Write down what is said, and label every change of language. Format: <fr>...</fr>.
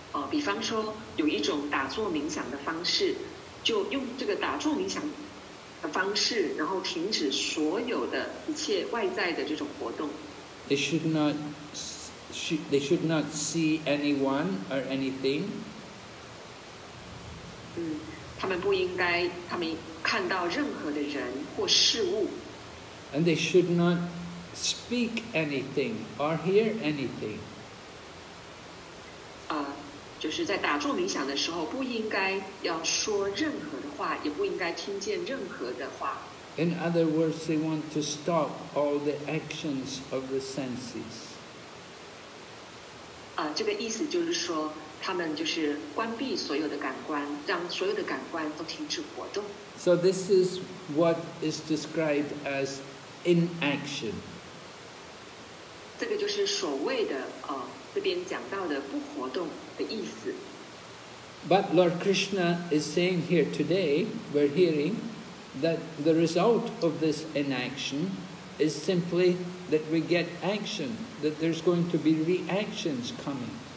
<zh>比方说有一种打坐冥想的方式，就用这个打坐冥想方式，然后停止所有的一切外在的这种活动。</zh> <en>They should not see anyone or anything.</en> <zh>他们不应该，他们看到任何的人或事物。</zh> <en>And they should not speak anything or hear anything.</en> <zh>就是在打坐冥想的时候，不应该要说任何的话，也不应该听见任何的话。</zh> <en>In other words, they want to stop all the actions of the senses.</en> <zh>这个意思就是说，他们就是关闭所有的感官，让所有的感官都停止活动。</zh> <en>So this is what is described as inaction.</en> <zh>这个就是所谓的这边讲到的不活动的意思。</zh> <en>But Lord Krishna is saying here today, we're hearing that the result of this inaction is simply that we get action, that there's going to be reactions coming.</en>